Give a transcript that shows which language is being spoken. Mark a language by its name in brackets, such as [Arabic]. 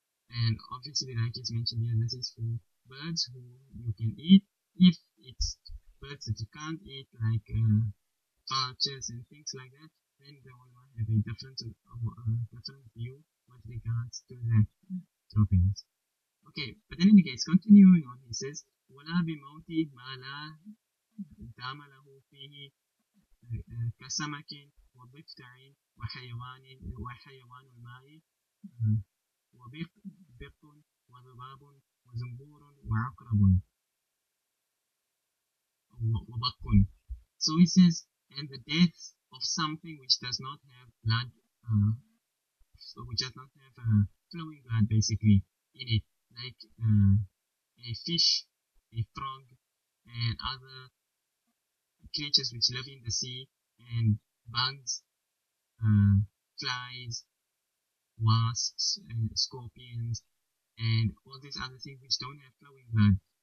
[English] And obviously, like it's mentioned here, this is for birds who you can eat. If it's birds that you can't eat, like vultures and things like that, then they will not have a different view with regards to that droppings. [Arabic] Okay, but in any case, continuing on, he says, وَلَا بِمَوْتِ مَا لَا دَامَ لَهُ فِيهِ كَسَمَكٍ وَبِفْتَعٍ وَحَيَوَانٍ وَحَيَوَانُ الْمَاءِ وَبِقٌ وَذُبَابٌ وَزُنْبُورٌ وَعَقْرَبٌ وَبَقٌ. [English] So he says, and the death of something which does not have blood, which does not have flowing blood basically in it, like a fish, a frog, and other creatures which live in the sea, and bugs, flies, wasps, scorpions, and all these other things which don't have flowing blood.